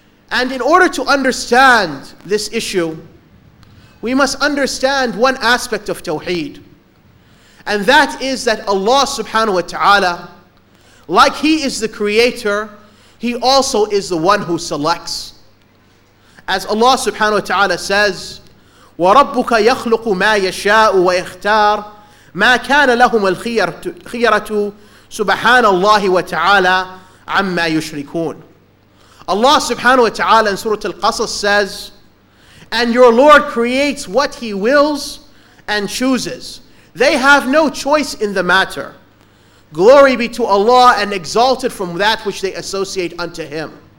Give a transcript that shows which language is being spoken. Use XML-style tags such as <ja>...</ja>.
<en>And in order to understand this issue, we must understand one aspect of Tawheed. And that is that Allah subhanahu wa ta'ala, like He is the creator, He also is the one who selects. As Allah subhanahu wa ta'ala says,</en> <ar>وَرَبُّكَ يَخْلُقُ مَا يَشَاءُ وَيَخْتَارُ مَا كَانَ لَهُمَ الْخِيَرَةُ سُبْحَانَ اللَّهِ وَتَعَالَى عَمَّا يُشْرِكُونَ.</ar> <en>Allah subhanahu wa ta'ala in Surah Al-Qasas says, and your Lord creates what He wills and chooses. They have no choice in the matter. Glory be to Allah and exalted from that which they associate unto Him.</en>